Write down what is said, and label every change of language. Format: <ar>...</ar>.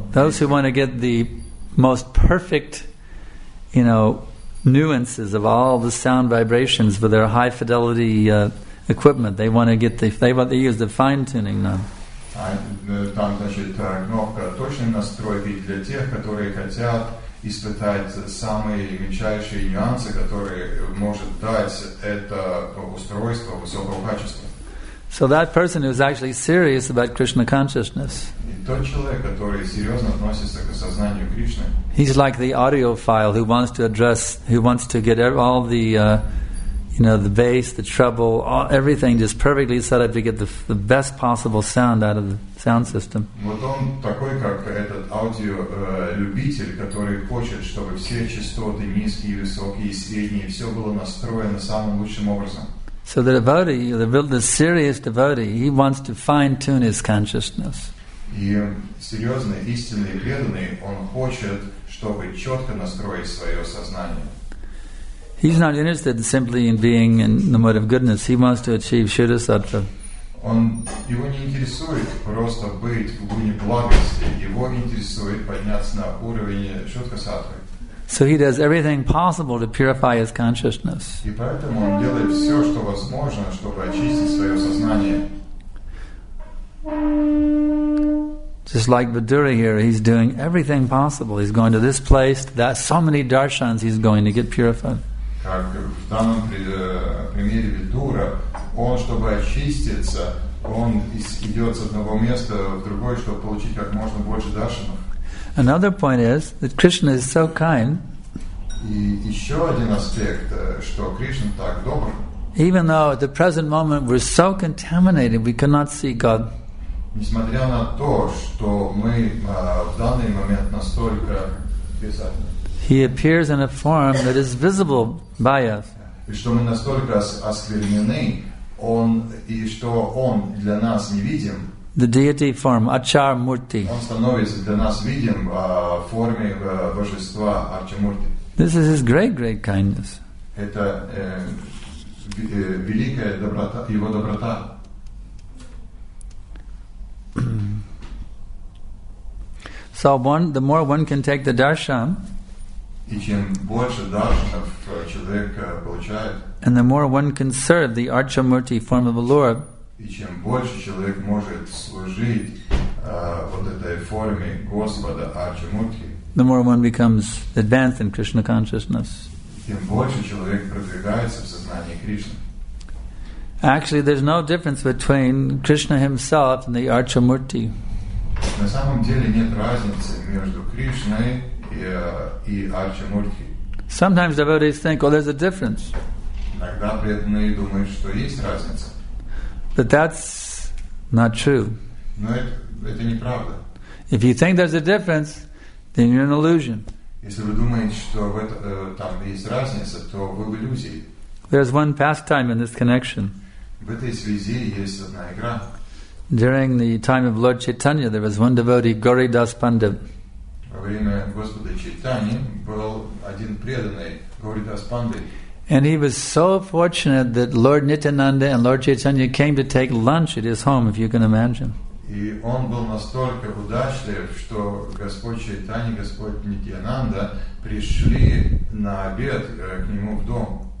<en>Those who want to get the most perfect, you know, nuances of all the sound vibrations with their high fidelity equipment. They want to get the, they want to use the fine tuning knob.</en> <ru>Там, значит, кнопка точной настройки для тех, которые хотят испытать самые мельчайшие нюансы, которые может дать это устройство высокого качества.</ru> <en>So that person who is actually serious about Krishna consciousness.</en> <ru>И тот человек, который серьезно относится к сознанию Кришны.</ru> <en>He's like the audiophile who wants to get all the, you know, the bass, the treble, all, everything just perfectly set up to get the best possible sound out of the sound system.</en> <ru>Вот он такой, как этот аудиолюбитель, который хочет, чтобы все частоты, низкие, высокие, средние, все было настроено самым лучшим образом.</ru> <en>So the devotee, the serious devotee, he wants to fine-tune his consciousness.</en> <ru>И серьезный, истинный, преданный, он хочет, чтобы четко настроить свое сознание.</ru> <en>He's not interested simply in being in the mode of goodness. He wants to achieve Shuddha-sattva.</en> <ru>Он, его не интересует просто быть в гуне благости. Его интересует подняться на уровень Шуддха-саттвы.</ru> <en>So he does everything possible to purify his consciousness.</en> <ru>И поэтому он делает все, что возможно, чтобы очистить свое сознание.</ru> <en>Just like Vidura here, he's doing everything possible. He's going to this place, to that, so many darshans he's going to get purified.</en> <ru>Как в данном примере Vidura, он, чтобы очиститься, он идет с одного места в другое, чтобы получить как можно больше даршанов.</ru> <en>Another point is that Krishna is so kind.</en> <ru>И еще один аспект, что Кришна так добр.</ru> <en>Even though at the present moment we're so contaminated, we cannot see God.</en> <ru>Несмотря на то, что мы в данный момент настолько</ru> <en>He appears in a form that is visible by us.</en> <ru>И что мы настолько осквернены, он, и что он для нас невидим.</ru> <en>the deity form, Acharmurti.</en> <ru>Он становится для нас видим в форме божества Арчамурти.</ru> <en>This is his great, great kindness.</en> <ru>Это великая доброта, его доброта.</ru> <en>So one, the more one can take the darshan,</en> <ru>и чем больше даршанов человек получает,</ru> <en>and the more one can serve the Archamurti form of the Lord,</en> <ru>и чем больше человек может служить вот этой форме Господа Арчамурти,</ru> <en>the more one becomes advanced in Krishna consciousness.</en> <ru>Тем больше человек продвигается в сознании Кришны.</ru> <en>Actually, there's no difference between Krishna himself and the Archamurti.</en> <ru>На самом деле нет разницы между Кришной и Арчамурти.</ru> <en>Sometimes devotees think, "Oh, there's a difference."</en> <ru>Иногда преданные думают, что есть разница.</ru> <en>But that's not true.</en> <ru>Но это неправда.</ru> <en>If you think there's a difference, then you're an illusion.</en> <ru>Если вы думаете, что там есть разница, то вы в иллюзии.</ru> <en>There's one pastime in this connection.</en> <ru>В этой связи есть одна игра.</ru> <en>During the time of Lord Chaitanya, there was one devotee, Goridas Pandit.</en> <ru>Во время Господа Чайтани был один преданный, Goridas Pandit.</ru> <en>And he was so fortunate that Lord Nityananda and Lord Chaitanya came to take lunch at his home, if you can imagine.</en> <ru>И он был настолько удачлив, что Господь Чайтани, Господь Нитьянанда пришли на обед к нему в дом.</ru>